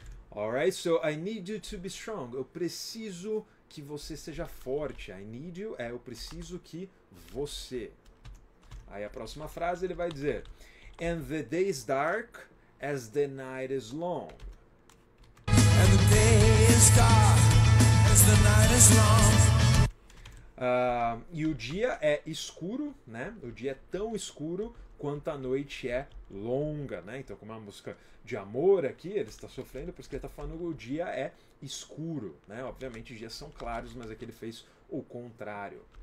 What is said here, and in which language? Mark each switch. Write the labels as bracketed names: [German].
[English] Alright, so I need you to be strong. [Portuguese] Eu preciso que você seja forte. I need you é eu preciso que você. Aí a próxima frase ele vai dizer: And the day is dark as the night is long. [English] And the day is dark as the night is long. [Portuguese] E o dia é escuro, né? O dia é tão escuro quanto a noite é longa, né? Então, como é uma música de amor aqui, ele está sofrendo, por isso que ele está falando que o dia é escuro, né? Obviamente, os dias são claros, mas aqui ele fez o contrário.